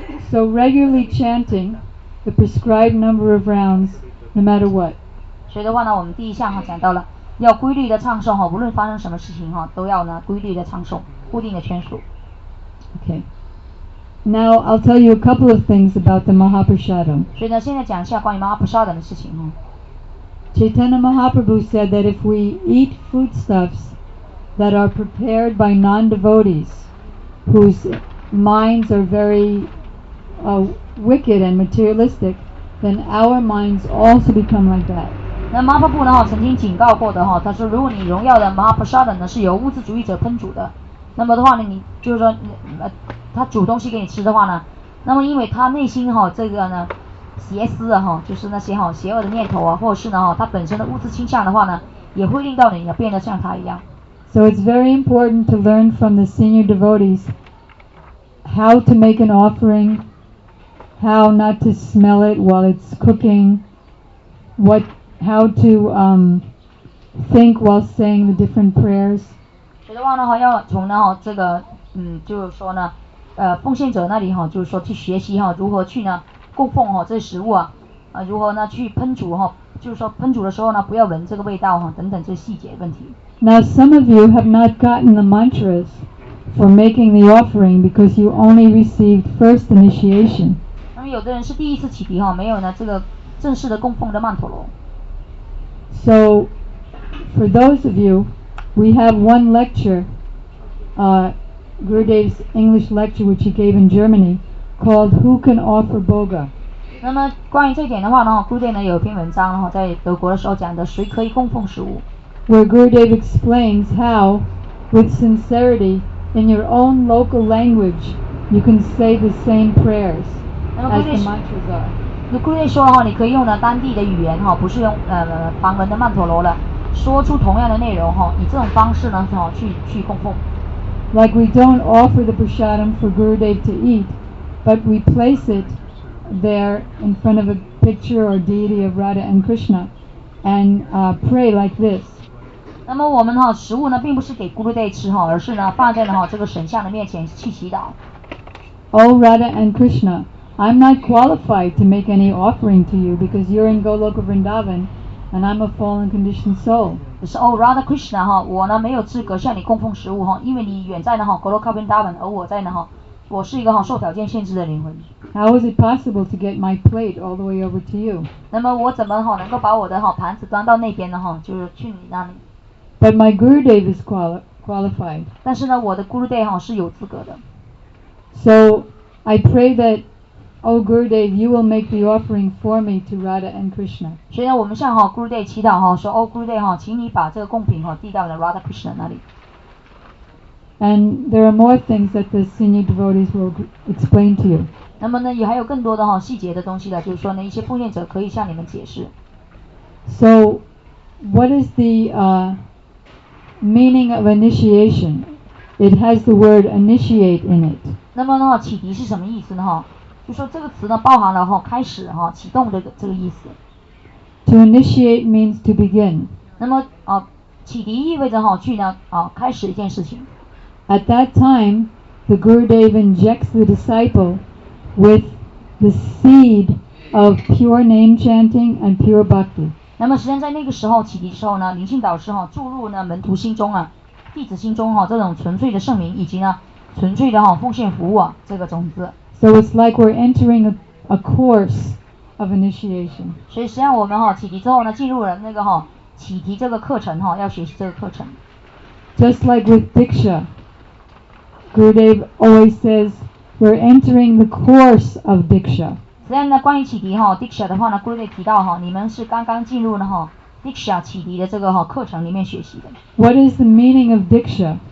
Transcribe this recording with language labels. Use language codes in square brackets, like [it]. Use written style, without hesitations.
[en] So regularly chanting the prescribed number of rounds, no matter what. [zh] 所以的话呢，我们第一项哈讲到了要规律的唱诵哈，无论发生什么事情哈，都要呢规律的唱诵，固定的圈数。 [en] Okay. Now I'll tell you a couple of things about the Mahaprasadam. [zh] 所以呢，现在讲一下关于 Mahaprasadam 的事情哈。 [en] Chaitanya Mahaprabhu said that if we eat foodstuffs that are prepared by non-devotees, whose minds are very wicked and materialistic, then our minds also become like that. [zh] 那 Mahaprabhu 呢哈曾经警告过的哈，他说如果你荣耀的 Mahaprasadam 呢是由物质主义者烹煮的，那么的话呢，你就是说你他煮东西给你吃的话呢，那么因为他内心哈这个呢邪思啊哈，就是那些哈邪恶的念头啊，或者是呢哈他本身的物质倾向的话呢，也会令到你要变得像他一样。 [en] So it's very important to learn from the senior devotees how to make an offering, how not to smell it while it's cooking, what how to think while saying the different prayers. [zh] 所以的话呢哈，要从呢哈这个就是说呢。奉献者那里哈，就是说去学习哈，如何去呢供奉哈这食物啊，如何呢去烹煮哈，就是说烹煮的时候呢，不要闻这个味道哈，等等这细节问题。 [en] Now some of you have not gotten the mantras for making the offering because you only received first initiation. [zh] 那么有的人是第一次起迪哈，没有呢这个正式的供奉的曼陀罗。 [en] So for those of you, we have one lecture, Gurudev's English lecture, which he gave in Germany, called "Who Can Offer Bhoga?" [zh] 那么关于这点的话呢 ，Gurudev 呢有一篇文章，然后在德国的时候讲的，谁可以供奉食物 [en] ？Where Gurudev explains how, with sincerity, in your own local language, you can say the same prayers as the mantras are. [zh] 那 Gurudev 说的话，你可以用了当地的语言哈，不是用梵文的曼陀罗了，说出同样的内容哈，以这种方式呢哈去供奉。 [en] Like we don't offer the prasadam for Gurudev to eat, but we place it there in front of a picture or deity of Radha and Krishna, and pray like this. [zh] 那么我们哈食物呢，并不是给 Gurudev 吃哈，而是呢放在呢哈这个神像的面前去祈祷。 [en] Oh Radha and Krishna, I'm not qualified to make any offering to you because you're in Goloka Vrindavan, and I'm a fallen conditioned soul. [zh] 就是 Oh Radha Krishna 哈，我呢没有资格向你供奉食物哈，因为你远在呢哈 Goloka Vrindavan， 而我在呢哈，我是一个哈受条件限制的灵魂。 [en] How is it possible to get my plate all the way over to you？ [zh] 那么我怎么哈能够把我的哈盘子端到那边呢哈，就是去你那里 [en] ？But my Gurudev is qualified。 [zh] 但是呢，我的 Gurudev 哈是有资格的。 [en] So I pray that。 Oh Gurudev, you will make the offering for me to Radha and Krishna. [zh] 所以我们向 Gurudev 祈祷，说 Oh Gurudev, 请你把这个贡品递到 Radha Krishna 那里。 [en] And there are more things that the senior devotees will explain to you. [zh] 那么呢，也还有更多的细节的东西，就是说呢，一些奉献者可以向你们解释。 [en] So, what is the meaning of initiation? It has the word initiate in it. [zh] 那么呢，启迪是什么意思呢？就说这个词呢，包含了开始启动的这个意思。 [en] To initiate means to begin。 [zh] 那么启迪意味着去呢开始一件事情。 [en] At that time, the Gurudev injects the disciple with the seed of pure name chanting and pure bhakti。 [zh] 那么实际上在那个时候启迪时候呢，灵性导师注入呢门徒心中弟子心中这种纯粹的圣名以及呢纯粹的奉献服务这个种子。 [en] So it's like we're entering a course of initiation. [zh] 所以实际上我们启迪之后呢，进入了那个启迪这个课程要学习这个课程。 [en] Just like with Diksha, Gurudev always says we're entering the course of Diksha. [zh] 实际上呢，关于启迪Diksha 的话呢 ，Gurudev 提到你们是刚刚进入了Diksha 启迪的这个课程里面学习的。 [en] What is the meaning of Diksha?